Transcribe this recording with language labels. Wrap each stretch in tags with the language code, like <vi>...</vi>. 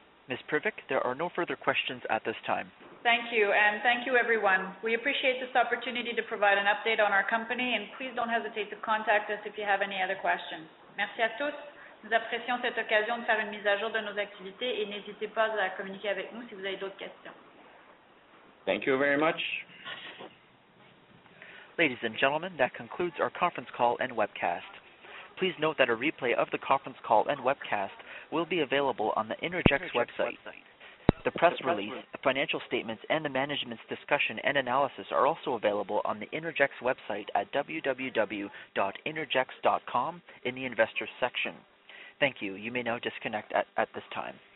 <en>Ms. Privick, there are no further questions at this time. Thank you, and thank you, everyone. We appreciate this opportunity to provide an update on our company, and please don't hesitate to contact us if you have any other questions.</en> <fr>Merci à tous. Nous apprécions cette occasion de faire une mise à jour de nos activités, et n'hésitez pas à communiquer avec nous si vous avez d'autres questions.</fr> <en>Thank you very much. Ladies and gentlemen, that concludes our conference call and webcast. Please note that a replay of the conference call and webcast will be available on the Innergex website. The press release, financial statements, and the management's discussion and analysis are also available on the Innergex website at www.innergex.com in the investors section. Thank you. You may now disconnect at this time.</en>